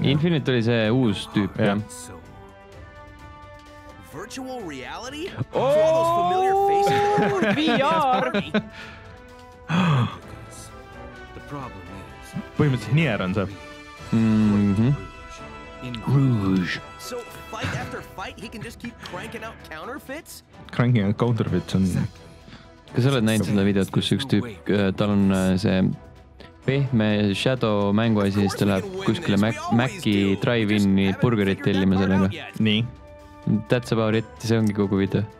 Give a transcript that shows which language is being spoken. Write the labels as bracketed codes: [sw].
[et] Infinite oli see uus tüüp. Jah. [en] Virtual reality? VR! [et] Põhimõtteliselt Nier on see. [en] Mhm. Rouge. So fight after fight he can just keep cranking out counterfeits? Cranking out counterfeits on. [et] Kas sa oled näinud seda videot, kus üks tüüp tal on see pehme Shadow mängu asi, siis ta läheb kuskile Maci drive-in'i burgerit tellima sellega. Nii. [en] That's about it, [et] see ongi kogu video.